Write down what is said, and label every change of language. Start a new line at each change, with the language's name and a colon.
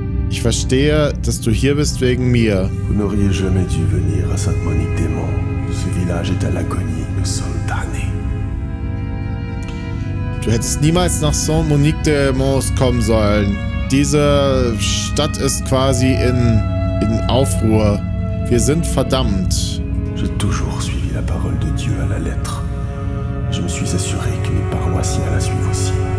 German: Ich verstehe, dass du hier bist wegen mir.
French: Vous n'auriez jamais dû venir à Sainte-Monique-des-Monts. Ce village est à l'agonie, nous sommes damnés.
German: Du hättest niemals nach Sainte-Monique-des-Monts kommen sollen. Diese Stadt ist quasi in Aufruhr. Wir sind verdammt.
French: J'ai toujours suivi la parole de Dieu à la lettre. Je me suis assuré que mes paroissiens la suivent aussi.